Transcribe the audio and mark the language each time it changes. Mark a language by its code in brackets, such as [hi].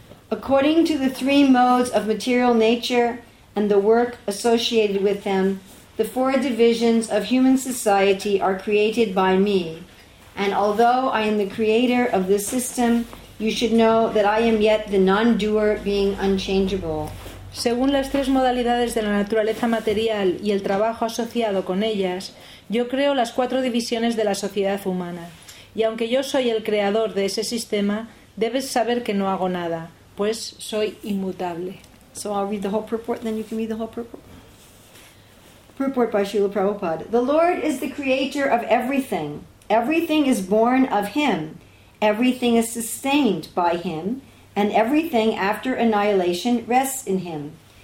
[en] According to the three modes of material nature and the work associated with them, the four divisions of human society are created by me. And although I am the creator of this system, you should know that I am yet the non-doer being unchangeable. [es] Según las tres modalidades de la naturaleza material y el trabajo asociado con ellas, yo creo las cuatro divisiones de la sociedad humana. Y aunque yo soy el creador de ese sistema, debes saber que no hago nada, pues soy inmutable. [en] So I'll read the whole purport, then you can read the whole purport. Purport by Srila Prabhupada. The Lord is the creator of everything. Everything is born of Him. Everything is sustained by Him. And everything after annihilation rests in Him.